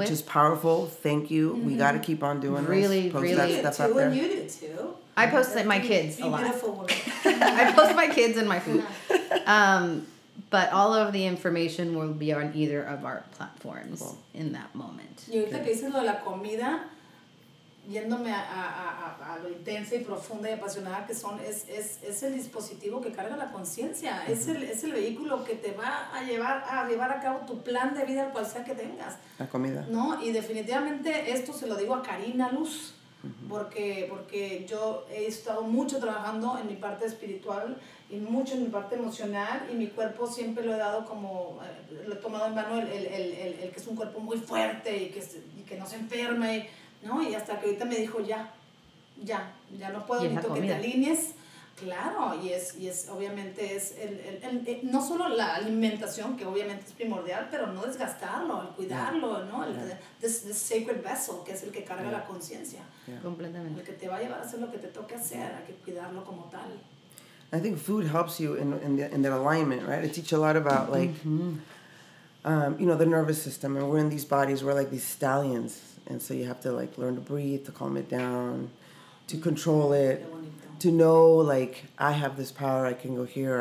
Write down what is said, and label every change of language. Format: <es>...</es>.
<en>Which is powerful. Thank you. Mm-hmm. We got to keep on doing really, this. Really, really. You do too, and you do too. I post like, my kids be a lot. Beautiful woman. I post my kids and my food. But all of the information will be on either of our platforms in that moment.</en> <es>Yo ahorita que dices lo de la comida, yéndome a lo intensa y profunda y apasionada que son, es el dispositivo que carga la conciencia. Mm-hmm. Es el vehículo que te va a llevar a cabo tu plan de vida, cual sea que tengas. La comida. No, y definitivamente esto se lo digo a Carina Luz, mm-hmm. porque yo he estado mucho trabajando en mi parte espiritual, y mucho en mi parte emocional, y mi cuerpo siempre lo he dado como, lo he tomado en mano el que es un cuerpo muy fuerte y que no se enferme, ¿no? Y hasta que ahorita me dijo, ya no puedo ni tú que te alinees. Claro, y es obviamente es el no solo la alimentación, que obviamente es primordial, pero no desgastarlo, el cuidarlo, ¿no?</es> <en>The sacred vessel,</en> <es>que es el que carga la conciencia. Completamente. El que te va a llevar a hacer lo que te toque hacer, hay que cuidarlo como tal.</es> <en>I think food helps you in that alignment, right? I teach a lot about, like, mm-hmm. You know, the nervous system. And we're in these bodies. We're like these stallions. And so you have to, like, learn to breathe, to calm it down, to control it, to know, like, I have this power. I can go here.</en>